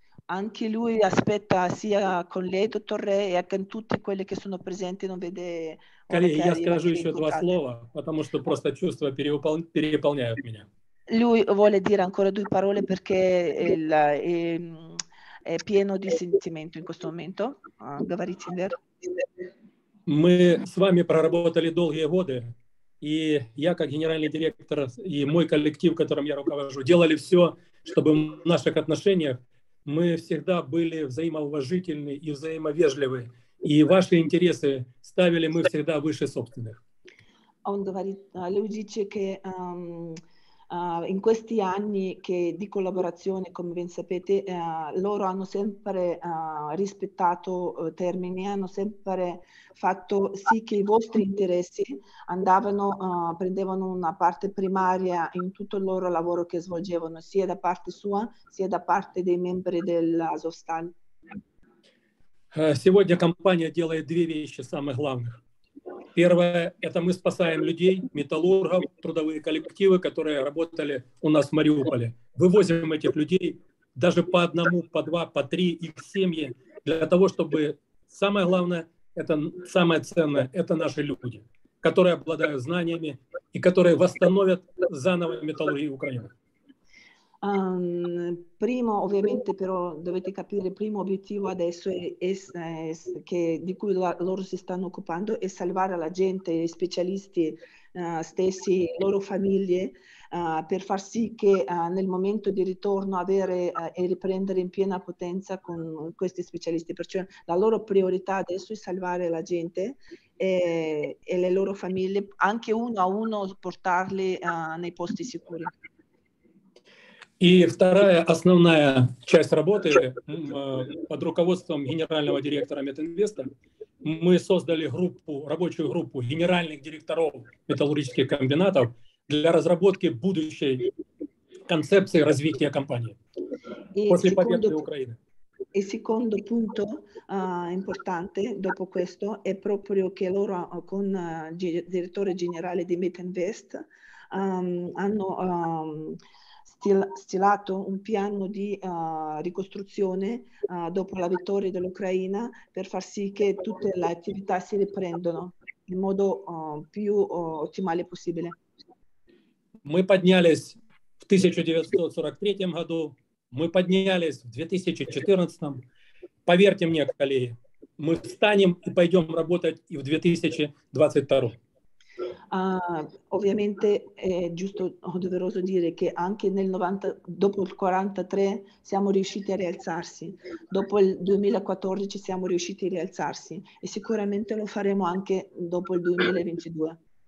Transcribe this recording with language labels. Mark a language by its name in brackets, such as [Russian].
[Italian] Anche lui aspetta sia con lei, dottor Re, e con tutti quelli che sono presenti, non vede... [Russian] Коллеги, я скажу еще два слова, потому что просто чувства переполняют меня. [Italian] Lui vuole dire ancora due parole perché è pieno di sentimento in questo momento. [Russian] Говорите, Вер. Мы с вами проработали долгие годы, и я как генеральный директор и мой коллектив, которым я руковожу, делали все, чтобы в наших отношениях мы всегда были взаимоуважительны и взаимовежливы, и ваши интересы ставили мы всегда выше собственных. Он говорит, люди, что [Italian] in questi anni che di collaborazione, come ben sapete, loro hanno sempre rispettato termini, hanno sempre fatto sì che i vostri interessi prendevano una parte primaria in tutto il loro lavoro che svolgevano, sia da parte sua, sia da parte dei membri dell'Azovstal. [Russian] Сегодня компания делает две вещи самых главных. Первое – это мы спасаем людей, металлургов, трудовые коллективы, которые работали у нас в Мариуполе. Вывозим этих людей даже по одному, по два, по три, их семьи, для того, чтобы самое главное, это самое ценное – это наши люди, которые обладают знаниями и которые восстановят заново металлургию Украины. [Italian] Primo, ovviamente, però dovete capire, il primo obiettivo adesso di cui loro si stanno occupando è salvare la gente, gli specialisti stessi, le loro famiglie, per far sì che nel momento di ritorno e riprendere in piena potenza con questi specialisti. Perciò la loro priorità adesso è salvare la gente e le loro famiglie, anche uno a uno portarli nei posti sicuri. [Russian] И вторая основная часть работы под руководством генерального директора Метинвеста мы создали рабочую группу генеральных директоров металлургических комбинатов для разработки будущей концепции развития компании после победы Украины. [Italian] Il secondo punto importante dopo questo è proprio che loro con direttore generale di Metinvest hanno stilato un piano di ricostruzione dopo la vittoria dell'Ucraina per far sì che tutte le attività si riprendano in modo più ottimale possibile. [Russian] Мы поднялись в 1943 году, мы поднялись в 2014. Поверьте мне, коллеги, мы встанем и пойдем работать и в 2022. [Italian] Ovviamente è giusto o doveroso dire che anche nel 90, dopo il 43 siamo riusciti a rialzarsi, dopo il 2014 siamo riusciti a rialzarsi e sicuramente lo faremo anche dopo il 2022.